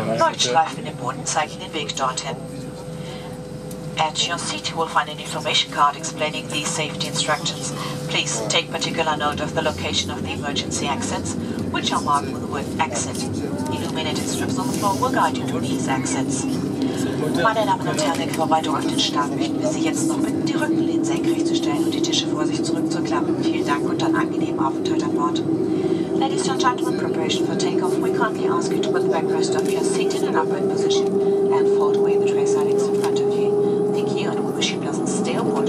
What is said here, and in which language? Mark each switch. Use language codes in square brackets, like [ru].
[de] Leuchtstreifen im Boden zeigen den Weg dorthin. [en] At your seat, you will find an information card explaining the safety instructions. Please take particular note of the location of the emergency exits, which are marked with the word exit. Illuminated strips on the floor will guide you to these exits. [de] Meine Damen und Herren, bevor wir auf den Start bitten wir Sie jetzt noch bitten, die Rückenlehnen senkrecht zu stellen und die Tische vor sich zurückzuklappen. Vielen Dank und einen angenehmen Aufenthalt an Bord. [en] Ladies and gentlemen, preparation for takeoff. We kindly ask you to put the backrest of your seat in an upright position and fold away the tray sidings in front of you. Thank you and we wish you pleasant stay aboard.